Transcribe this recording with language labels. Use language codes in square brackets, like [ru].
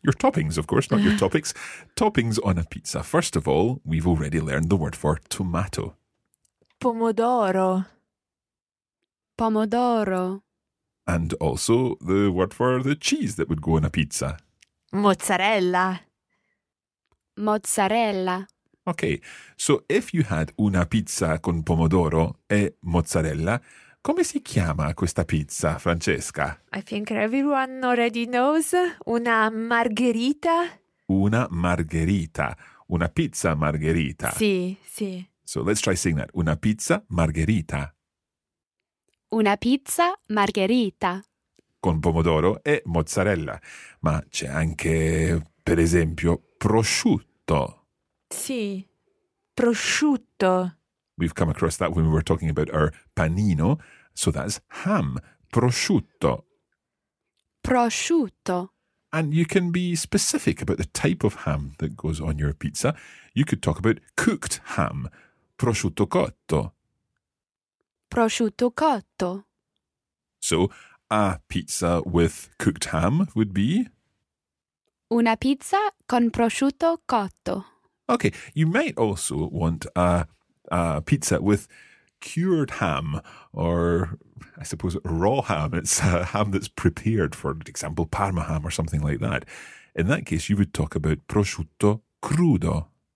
[en] Your toppings, of course, not your topics. Toppings on a pizza. First of all, we've already learned the word for tomato. [it] Pomodoro. Pomodoro. [en] And also the word for the cheese that would go on a pizza. [it] Mozzarella. Mozzarella. [en] Okay, so if you had [it] una pizza con pomodoro e mozzarella, come si chiama questa pizza, Francesca? [en] I think everyone already knows. [it] Una margherita. Una margherita. Una pizza margherita. Sì, sì. [en] So let's try saying that. [it] Una pizza margherita. Una pizza margherita. Con pomodoro e mozzarella. Ma c'è anche, per esempio, prosciutto. Sì, prosciutto. [en] We've come across that when we were talking about our panino. So that's ham, prosciutto. [it] Prosciutto. [en] And you can be specific about the type of ham that goes on your pizza. You could talk about cooked ham, [it] prosciutto cotto. Prosciutto cotto. [en] So a pizza with cooked ham would be? [it] Una pizza con prosciutto cotto. [en] Okay, you might also want a pizza with cured ham, or I suppose raw ham. It's a ham that's prepared, for example, Parma ham or something like that. In that case, you would talk about [it] prosciutto crudo.